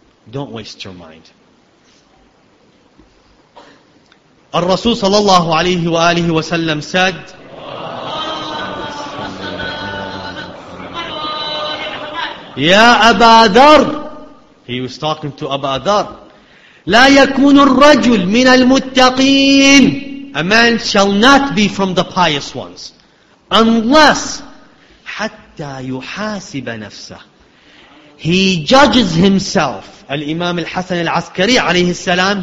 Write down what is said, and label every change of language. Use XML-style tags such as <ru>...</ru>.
<en>Don't waste your mind. Al-Rasul sallallahu alayhi wa alihi wa sallam said, Ya Aba Dhar, He was talking to Abu Dhar.</en> <ar>لا يكون الرجل من المتقين.</ar> <en>A man shall not be from the pious ones, unless</en> <ar>حتى يحاسب نفسه.</ar> <en>He judges himself. Al Imam Al Hasan Al Askari</en> <ar>عليه السلام.</ar>